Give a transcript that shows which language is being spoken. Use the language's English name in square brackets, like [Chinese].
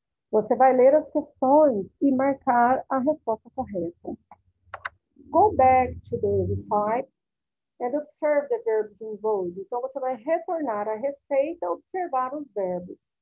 [Portuguese] Você vai ler as questões e marcar a resposta correta. [English] Go back to the website and observe the verbs involved. [Portuguese] Então, você vai retornar à receita e observar os verbos.